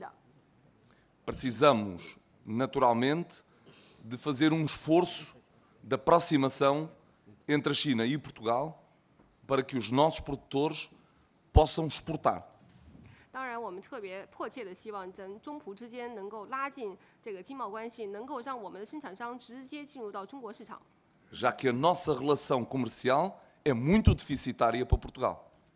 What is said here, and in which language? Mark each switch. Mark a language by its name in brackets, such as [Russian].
[Chinese] 虽然呢，我们葡萄牙作为一个经贸关系当中比较弱小的一个国家，但是我们有很多产品，在整个市场上是非常有竞争力的。 [Portuguese] Precisamos, naturalmente, de fazer um esforço de aproximação entre a China e Portugal para que os nossos produtores possam exportar. [Chinese] 当然，我们特别迫切的希望，咱中葡之间能够拉近这个经贸关系，能够让我们的生产商直接进入到中国市场。 [Portuguese] Já que a nossa relação comercial é muito deficitária para Portugal.